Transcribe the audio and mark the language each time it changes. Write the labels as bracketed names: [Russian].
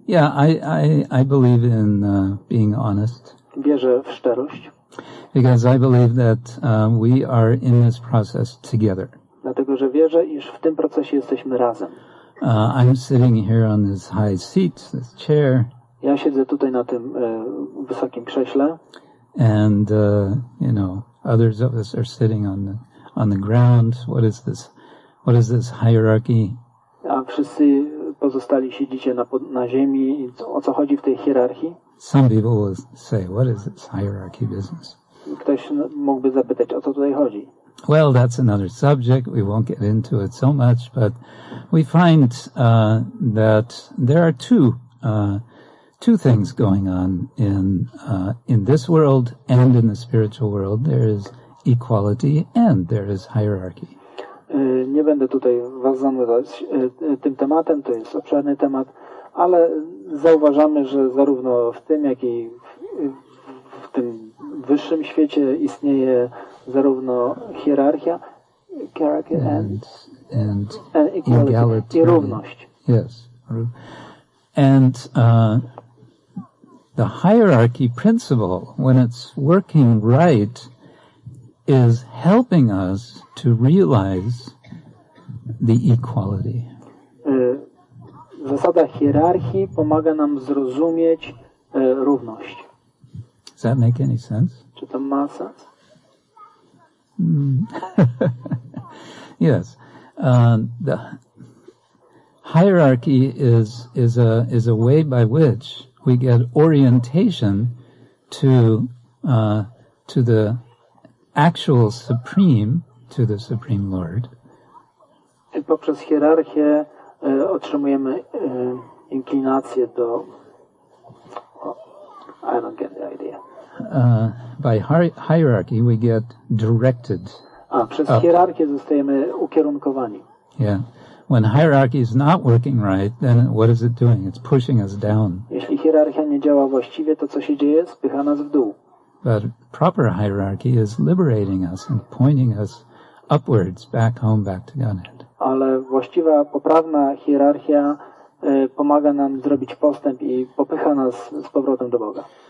[English] I believe in being honest. [Polish] Wierzę w szczerość. [English] Because I believe that we are in this process together. [Polish] Dlatego że wierzę, iż w tym procesie jesteśmy razem. [English] I'm sitting here on this high seat, this chair. [Polish] Ja siedzę tutaj na tym wysokim krześle. [English] And you know, others of us are sitting on the ground. What is this? What is this hierarchy? [Polish] A wszyscy pozostali siedzicie na ziemi. O co chodzi w tej hierarchii? [English] Some people will say, "What is this hierarchy business?" [Polish] Ktoś mógłby zapytać, o co tutaj chodzi? [English] Well, that's another subject. We won't get into it so much, but we find that there are two things going on in this world and in the spiritual world. There is equality and there is hierarchy. [Polish] Nie będę tutaj was zanudzać tym tematem, to jest obszerny temat, ale zauważamy, że zarówno w tym, jak i w tym wyższym świecie istnieje zarówno hierarchia, [English] hierarchy and equality, [Polish] i równość. [English] Yes. And the hierarchy principle, when it's working right, is helping us to realize the equality. [Polish] Zasada hierarchii pomaga nam zrozumieć równość. [English] Does that make any sense? [Polish] Czy to ma sens? [English] Yes. The hierarchy is a way by which we get orientation to the actual supreme, to the supreme Lord. [Polish] Poprzez hierarchię otrzymujemy inklinację do. [English] I don't get the idea. By hierarchy, we get directed. [Polish] Przez hierarchię zostajemy ukierunkowani. [English] Yeah. When hierarchy is not working right, then what is it doing? It's pushing us down. [Polish] Jeśli hierarchia nie działa właściwie, to co się dzieje? Spycha nas w dół. [English] But proper hierarchy is liberating us and pointing us upwards, back home, back to Godhead. [Polish] Ale właściwa, poprawna hierarchia pomaga nam zrobić postęp i popycha nas z powrotem do Boga.